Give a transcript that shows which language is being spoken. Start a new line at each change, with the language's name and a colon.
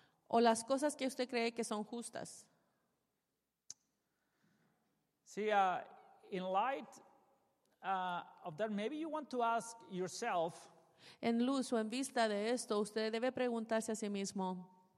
Spanish: o las cosas que usted cree que son justas.
English: See, in light of that, maybe you want to ask yourself,
Spanish: en luz o en vista de esto, usted debe preguntarse a sí mismo,